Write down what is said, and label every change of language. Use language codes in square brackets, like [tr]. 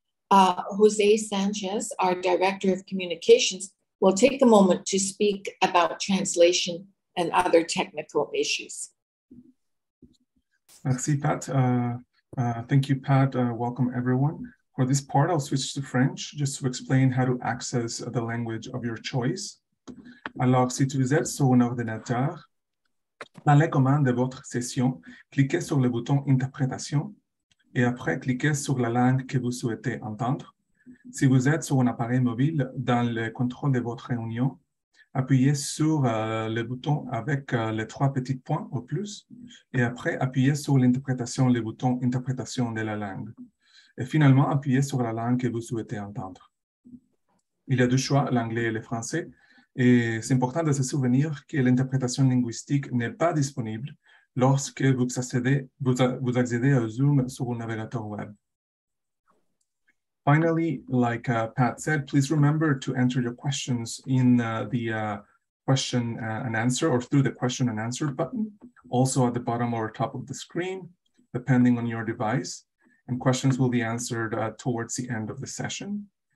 [en] Jose Sanchez, our Director of Communications, will take a moment to speak about translation and other technical issues. [fr] Merci, Pat. [en] Thank you, Pat. Welcome, everyone. For this part, I'll switch to French just to explain how to access the language of your choice. [fr] Alors, si vous êtes sur un ordinateur, dans les commandes de votre session, cliquez sur le bouton Interprétation et après, cliquez sur la langue que vous souhaitez entendre. Si vous êtes sur un appareil mobile, dans le contrôle de votre réunion, appuyez sur le bouton avec les trois petits points au plus et après, appuyez sur l'interprétation, le bouton Interprétation de la langue. Et finalement, appuyez sur la langue que vous souhaitez entendre. Il y a deux choix, l'anglais et le français. Et c'est important de se souvenir que l'interprétation linguistique n'est pas disponible lorsque vous accédez à Zoom sur un navigateur web. [en] Finally, like Pat said, please remember to enter your questions in question and answer or through the question and answer button, also at the bottom or top of the screen, depending on your device. And questions will be answered towards the end of the session.